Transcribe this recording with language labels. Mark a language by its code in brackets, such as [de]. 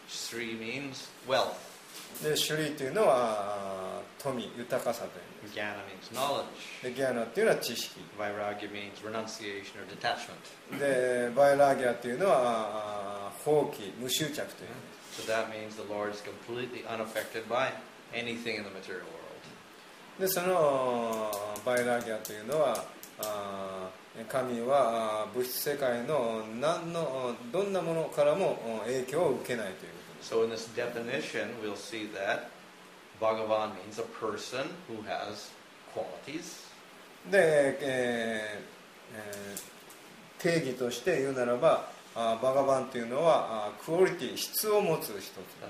[en] シュリー means wealth。 [ja] でシュリーというのは富、豊かさという意味です。 [en] ギャナ means knowledge。 [ja] でギャナというのは知識。 [en] ヴァイラギャ means renunciation or detachment。 [ja] でヴァイラギャというのは放棄、無執着という意味です。 [en] So that means the Lord is completely unaffected by anything in the material world。 [ja] でそのヴァイラギャというのは神は物質世界の何のどんなものからも影響を受けないということです。 [en] So in this definition, we'll see that Bhagavan means a person who has qualities. [ja] で、定義として言うならば、バガバンというのはクオリティ、質を持つ人。